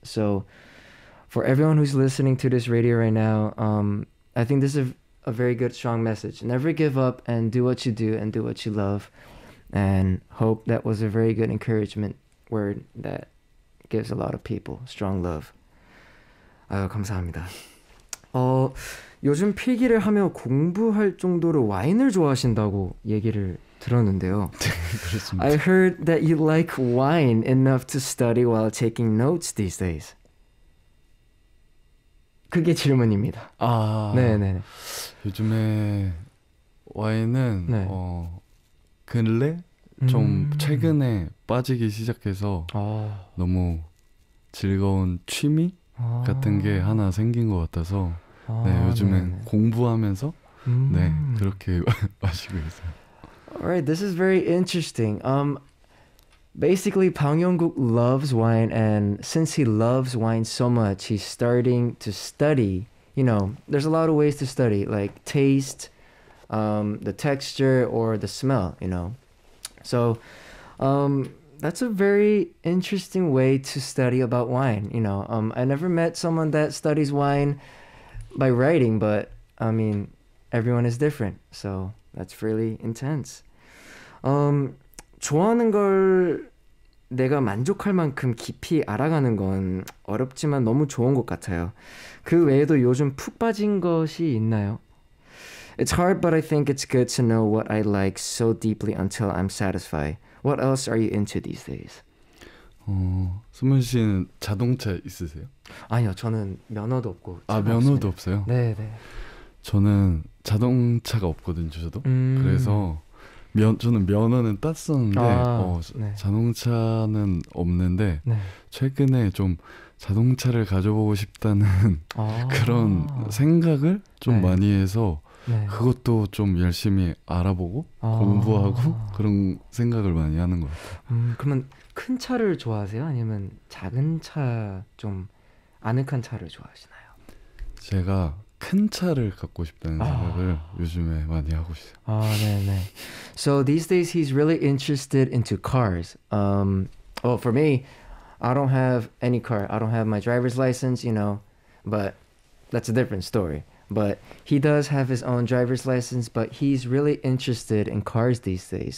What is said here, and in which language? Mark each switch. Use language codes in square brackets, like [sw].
[en] So for everyone who's listening to this radio right now, I think this is a very good, strong message. Never give up and do what you do and do what you love. And hope that was a very good encouragement word that gives a lot of people strong love. [ko] 아유, 감사합니다. 요즘 필기를 하며 공부할 정도로 와인을 좋아하신다고 얘기를 들었는데요. 그렇습니다. [en] I heard that you like wine enough to study while taking notes these days. [ko] 그게 질문입니다. 아, 네네. 요즘에 와인은 네. 근래 좀 최근에 빠지기 시작해서 너무 즐거운 취미 같은 게 하나 생긴 것 같아서 네, 요즘에 네네. 공부하면서 네, 그렇게 마시고 있어요. [en] Alright, this is very interesting. Basically, 방영국 loves wine, and since he loves wine so much, he's starting to study. You know, there's a lot of ways to study, like taste, the texture, or the smell, you know. So, that's a very interesting way to study about wine, you know. I never met someone that studies wine by writing, but, I mean, everyone is different, so that's really intense. [ko] 좋아하는 걸 내가 만족할 만큼 깊이 알아가는 건 어렵지만 너무 좋은 것 같아요. 그 외에도 요즘 푹 빠진 것이 있나요? [en] It's hard, but I think it's good to know what I like so deeply until I'm satisfied. What else are you into these days? [ko] 승문 씨는 자동차 있으세요? 아니요, 저는 면허도 없고. 아, 면허도 없어요? 네네. 저는 자동차가 없거든요, 저도. 그래서 저는 면허는 땄었는데 네. 자동차는 없는데 네. 최근에 좀 자동차를 가져보고 싶다는 그런 생각을 좀 네. 많이 해서 네. 그것도 좀 열심히 알아보고 공부하고 그런 생각을 많이 하는 것 같아요. 그러면 큰 차를 좋아하세요? 아니면 작은 차, 좀 아늑한 차를 좋아하시나요? 제가 큰 차를 갖고 싶다는 생각을 요즘에 많이 하고 있어요. 아, 네네. [en] So these days he's really interested into cars. Well, for me, I don't have any car. I don't have my driver's license, you know, but that's a different story. But he does have his own driver's license, but he's really interested in cars these days.